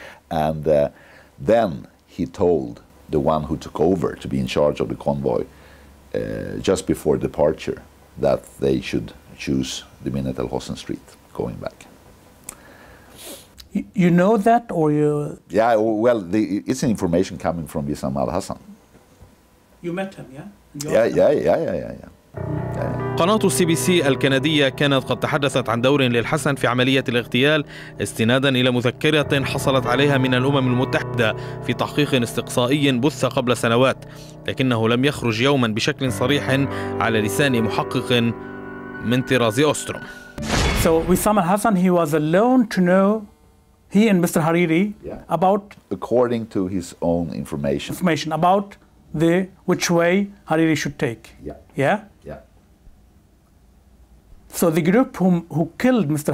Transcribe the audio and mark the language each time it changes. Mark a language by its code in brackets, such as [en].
[en] And then he told the one who took over to be in charge of the convoy just before departure that they should choose the Minnet el-Hosn Street going back. You know that, or you? Yeah, well, it's information coming from Wissam al-Hassan. You met him, yeah? Yeah. [ar] قناة سي بي سي الكندية كانت قد تحدثت عن دور للحسن في عملية الاغتيال استنادا إلى مذكرة حصلت عليها من الأمم المتحدة في تحقيق استقصائي بث قبل سنوات، لكنه لم يخرج يوما بشكل صريح على لسان محقق من طراز أستروم. [en] So Wissam al-Hassan, he was alone to know he and Mr. Hariri about according to his own information. Information about the which way Hariri should take. Yeah. Yeah. So the group who killed Mr.